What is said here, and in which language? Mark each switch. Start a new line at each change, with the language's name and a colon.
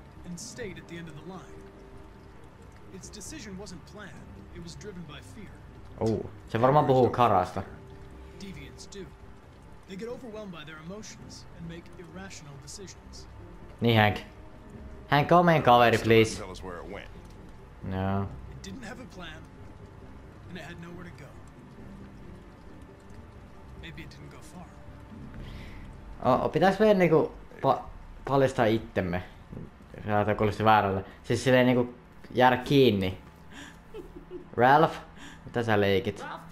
English: And stayed at the end of the line. Its decision wasn't planned. It was driven by fear.
Finnish: Oh, se varmaan puhuu Karasta.
English: Deviants do. They get overwhelmed by their emotions and make irrational decisions. Niin, Hank. Hank, come in, kaveri, please. Tell us where it went. No. It didn't have a plan, and it had nowhere to go. Maybe it didn't go far.
Finnish: Pitäis meidän niinku paljastaa itsemme. Tää kuulosti väärältä. Siis silleen niinku jäädä kiinni. Ralph? Mitä sä leikit?